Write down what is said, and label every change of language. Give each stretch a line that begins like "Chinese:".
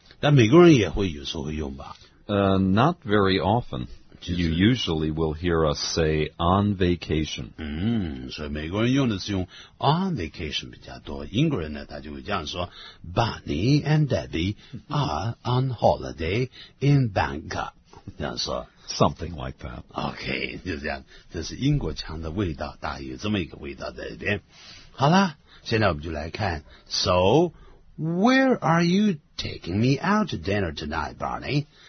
Chinese: 但美国人也会有时候会用吧?
English: Not very often.
Chinese: 就是,
English: you usually will hear us say on vacation.
Chinese: 所以美国人用的是用 on vacation 比较多, 英国人呢他就会这样说,
English: Barney and Debbie are on holiday in Bangkok.
Chinese: 这样说,
English: Something like that.
Chinese: Okay, 就这样, 这是英国腔的味道, 大约这么一个味道在这边。好啦,现在我们就来看,
English: So, where are you taking me out to dinner tonight, Barney?